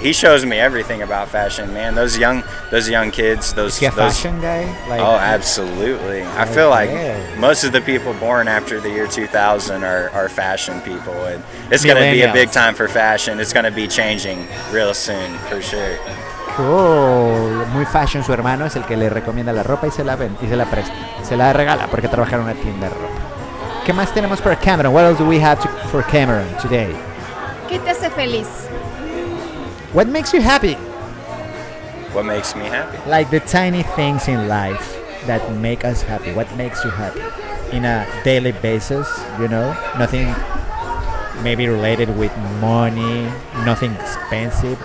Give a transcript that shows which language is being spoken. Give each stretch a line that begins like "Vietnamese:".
English: he shows me everything about fashion, man. Those young kids, fashion guy? Like, oh, absolutely. I feel like most of the people born after the year 2000 are fashion people. And it's going to be a big time for fashion. It's going to be changing real soon, for sure. Cool.
Spanish: Muy fashion su hermano, es el que le recomienda la ropa y se la vende y se la presta. Se la regala porque trabaja en una tienda de ropa. ¿Qué más tenemos para Cameron?
English: What else do we have for Cameron today?
Spanish: ¿Qué te hace feliz?
English: What makes you happy? What makes me happy? Like the tiny things in life that make us happy. What makes you happy? In a daily basis, you know? Nothing maybe related with money, nothing expensive.